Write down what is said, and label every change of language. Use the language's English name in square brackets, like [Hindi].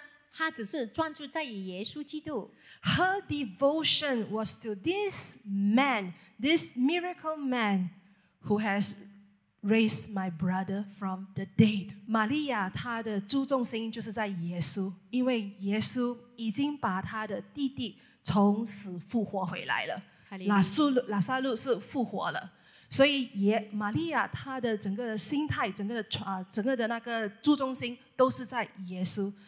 [Chinese] 所以玛利亚呢，在那时候呢，她只是专注在耶稣基督。 [English] Her devotion was to this man, this miracle man, who has raise my brother from the dead. [Chinese] Maria, 她的注重心就是在耶稣，因为耶稣已经把她的弟弟从死复活回来了。拉撒路是复活了，所以玛利亚她的整个心态、整个的那个注重心都是在耶稣。